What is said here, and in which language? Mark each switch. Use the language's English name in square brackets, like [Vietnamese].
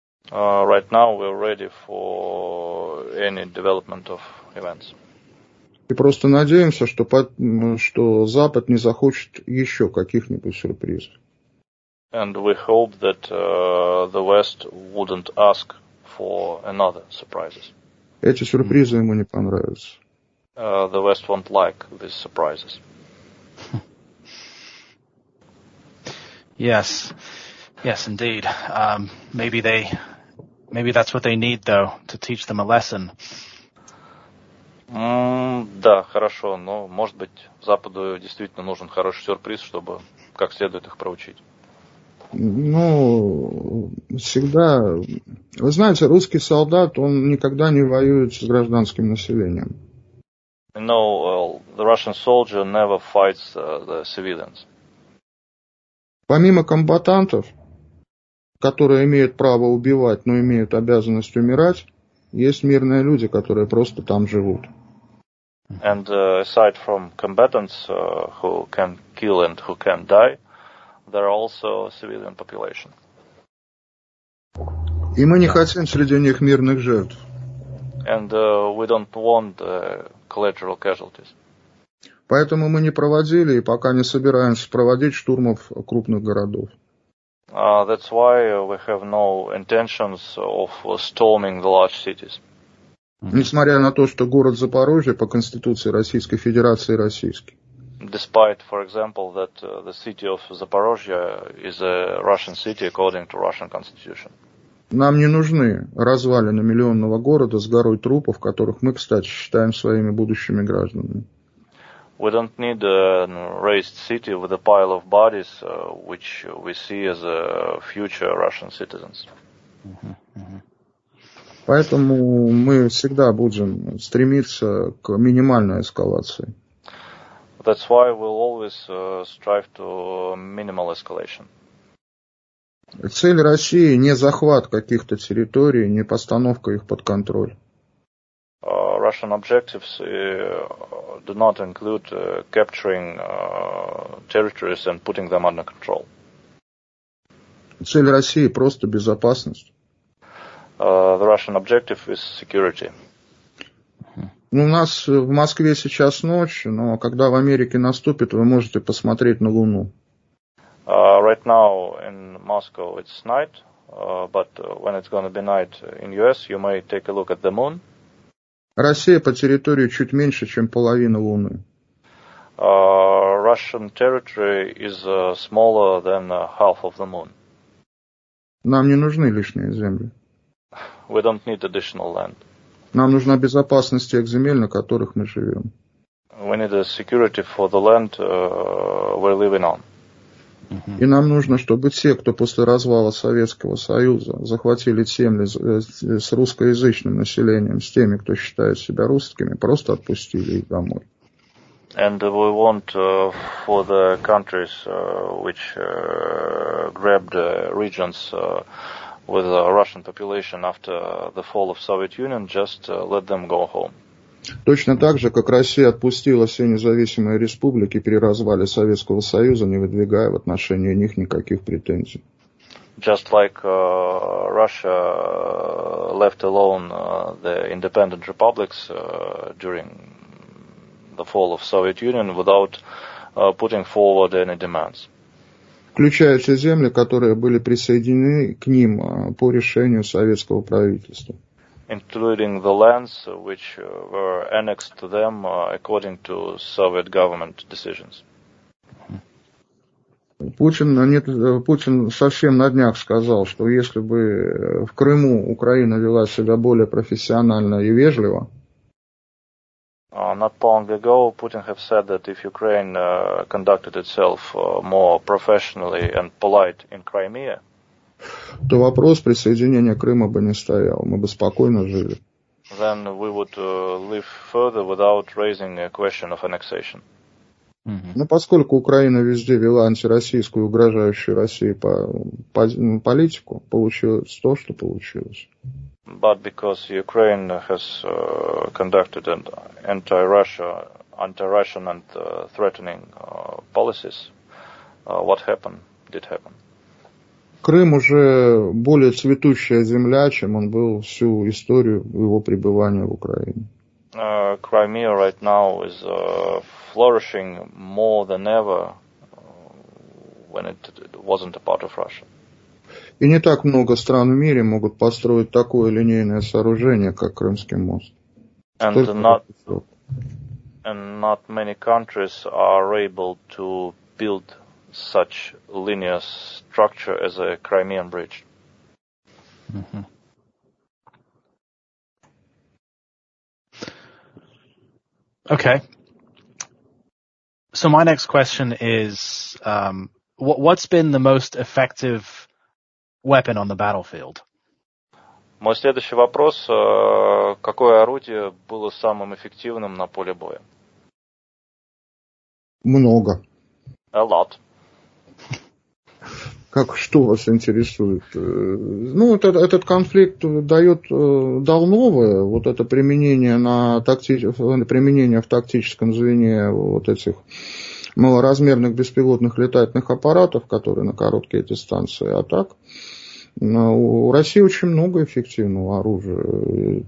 [English] Right now we're ready for any development of events. [Russian] И просто надеемся, что, что Запад не захочет еще каких-нибудь сюрпризов. [English] And we hope that the West wouldn't ask for another surprises. [Russian] Эти сюрпризы ему не понравятся. [English] The West won't like these surprises. Yes, yes, indeed. Maybe that's what they need, though, to teach them a lesson. [Russian] Да, хорошо, но может быть Западу действительно нужен хороший сюрприз, чтобы как следует их проучить. Ну, всегда. Вы знаете, русский солдат он никогда не воюет с гражданским населением. [English] No, the Russian soldier never fights the civilians. [Russian] Помимо комбатантов, которые имеют право убивать, но имеют обязанность умирать, есть мирные люди, которые просто там живут. [English] And aside from combatants who can kill and who can die, there are also civilian population. [Russian] И мы не хотим среди них мирных жертв. [English] And we don't want collateral casualties. [Russian] Поэтому мы не проводили и пока не собираемся проводить штурмов крупных городов. [English] That's why we have no intentions of storming the large cities. [Russian] Несмотря на то, что город Запорожье по Конституции Российской Федерации российский. [English] Despite, for example, that the city of Zaporozhye is a Russian city according to Russian Constitution. [Russian] Нам не нужны развалины миллионного города с горой трупов, которых мы, кстати, считаем своими будущими гражданами. [English] We don't need a raised city with a pile of bodies, which we see as a future Russian citizens. [Russian] Поэтому мы всегда будем стремиться к минимальной эскалации. [English] That's why we'll always strive to minimal escalation. [Russian] Цель России не захват каких-то территорий, не постановка их под контроль. [English] Russian objectives do not include capturing territories and putting them under control. [Russian] Цель России просто безопасность. [English] The Russian objective is security. [Russian] У нас в Москве сейчас ночь, но когда в Америке наступит, вы можете посмотреть на Луну. [English] Right now in Moscow it's night, but when it's going to be night in US, you may take a look at the moon. [Russian] Россия по территории чуть меньше, чем половина Луны. [English] Russian territory is smaller than half of the moon. [Russian] Нам не нужны лишние земли. [English] We don't need additional land. [Russian] Нам нужна безопасность тех земель, на которых мы живем. [English] We need a security for the land we're living on. [Russian] И нам нужно, чтобы те, кто после развала Советского Союза захватили земли с русскоязычным населением, с теми, кто считает себя русскими, просто отпустили их домой. [English] And we want for the countries which grabbed regions with the Russian population after the fall of Soviet Union, just let them go home. [Russian] Точно так же, как Россия отпустила все независимые республики при развале Советского Союза, не выдвигая в отношении них никаких претензий. [English] Just like Russia left alone the independent republics during the fall of Soviet Union without putting forward any demands. [Russian] Включая все земли, которые были присоединены к ним по решению советского правительства. [English] Including the lands which were annexed to them according to Soviet government decisions. [Russian] Путин совсем на днях сказал, что если бы в Крыму Украина вела себя более профессионально и вежливо, [English] Not long ago, Putin have said that if Ukraine conducted itself more professionally and polite in Crimea, [Russian] то вопрос присоединения Крыма бы не стоял, мы бы спокойно жили. [English] Then we would live further without raising a question of annexation. [Russian] Но поскольку Украина везде вела антироссийскую, угрожающую России политику, получилось то, что получилось. [English] But because Ukraine has conducted an anti-Russian and threatening policies, what happened did happen. [Russian] Крым уже более цветущая земля, чем он был всю историю его пребывания в Украине. [English] Crimea right now is flourishing more than ever when it wasn't a part of Russia. [Russian] И не так много стран в мире могут построить такое линейное сооружение, как Крымский мост. [English] And not many countries are able to build such linear structure as a Crimean bridge. Okay. So my next question is, what's been the most effective weapon on the battlefield? [Russian] Мой следующий вопрос, какое орудие было самым эффективным на поле боя? Много. [English] A lot. [Russian] Как, что вас интересует? Ну, этот конфликт дает, дал новое, вот это применение применение в тактическом звене вот этих малоразмерных беспилотных летательных аппаратов, которые на короткие дистанции, а так, у России очень много эффективного оружия.